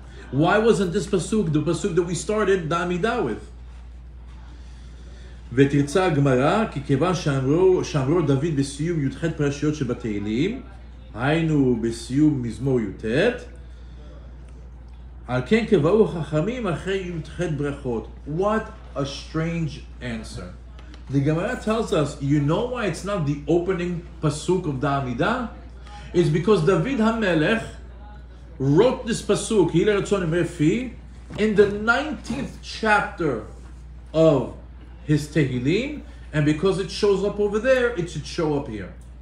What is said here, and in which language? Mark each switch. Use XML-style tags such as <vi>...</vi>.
<en>Why wasn't this pasuk the pasuk that we started the Amidah with?</en> <he>ותרצה הגמרא כי כיוון שאמרו דוד בסיום י"ח פרשיות שבתהילים, היינו בסיום מזמור י"ט, על כן קבעו חכמים אחרי י"ח ברכות.</he> <en>What a strange answer. The Gemara tells us, you know why it's not the opening pasuk of the Amidah? It's because David המלך wrote this pasuk,</en> <he>יהי לרצון מרפי,</he> <en>in the 19th chapter of his Tehillim, and because it shows up over there, it should show up here.</en>